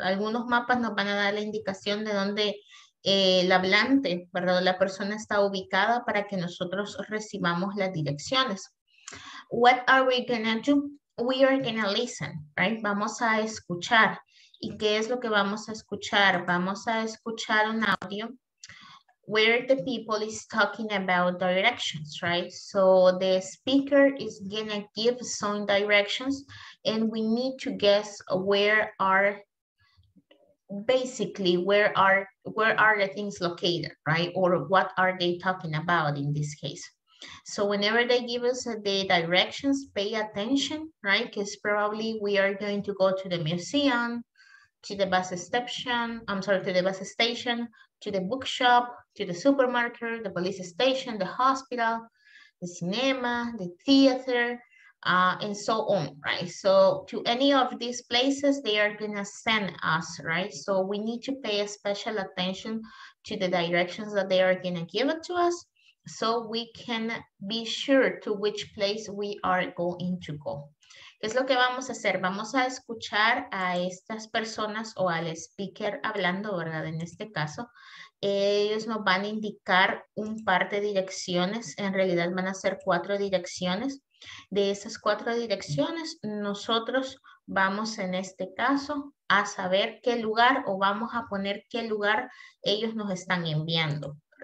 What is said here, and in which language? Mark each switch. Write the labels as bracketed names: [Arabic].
[Spanish] Algunos mapas nos van a dar la indicación de dónde el hablante, ¿verdad? La persona está ubicada para que nosotros recibamos las direcciones. [English] What are we gonna do? We are gonna listen, right? [Spanish] Vamos a escuchar. ¿Y qué es lo que vamos a escuchar? Vamos a escuchar un audio. [English] Where the people is talking about directions, right? So the speaker is gonna give some directions and we need to guess where are, basically, where are the things located, right? Or what are they talking about in this case? So whenever they give us the directions, pay attention, right? Because probably we are going to go to the museum, to the bus station, I'm sorry, to the bus station, to the bookshop, to the supermarket, the police station, the hospital, the cinema, the theater, and so on, right? So to any of these places, they are gonna send us, right? So we need to pay a special attention to the directions that they are gonna give it to us so we can be sure to which place we are going to go. [Spanish] ¿Qué es lo que vamos a hacer? Vamos a escuchar a estas personas o al speaker hablando, ¿verdad? En este caso, ellos nos van a indicar un par de direcciones. En realidad van a ser cuatro direcciones. De esas cuatro direcciones, nosotros vamos en este caso a saber qué lugar o vamos a poner qué lugar ellos nos están enviando.